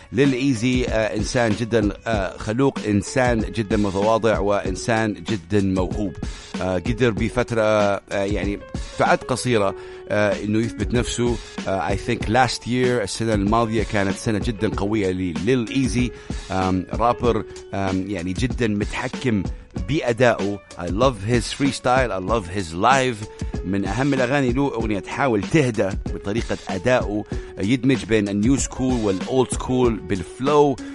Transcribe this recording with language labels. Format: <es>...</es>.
<ar>Lil Easy إنسان جدا خلوق، إنسان جدا متواضع، وإنسان جدا موهوب. قدر بفترة يعني فعد قصيرة إنه يثبت نفسه.</ar> <en>I think last year،</en> <ar>السنة الماضية كانت سنة جدا قوية لليل إيزي. رابر يعني جدا متحكم بأدائه.</ar> <en>I love his freestyle، I love his live.</en> <ar>من أهم الأغاني له أغنية تحاول تهدى بطريقة أدائه، يدمج بين النيو سكول والأولد سكول بالفلو.</ar>